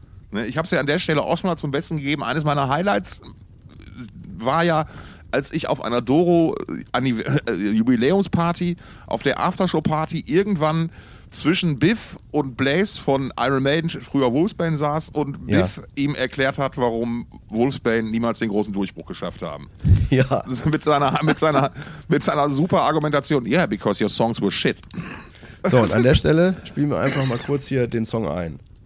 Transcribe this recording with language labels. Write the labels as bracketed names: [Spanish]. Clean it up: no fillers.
[German] Ne, ich habe es ja an der Stelle auch schon mal zum Besten gegeben. Eines meiner Highlights war ja, als ich auf einer Doro Jubiläumsparty, auf der Aftershow-Party irgendwann zwischen Biff und Blaze von Iron Maiden, früher Wolfsbane, saß und Biff ihm erklärt hat, warum Wolfsbane niemals den großen Durchbruch geschafft haben. Ja. Mit seiner super Argumentation, [English] yeah, because your songs were shit. [German] So, und an der Stelle spielen wir einfach mal kurz hier den Song ein.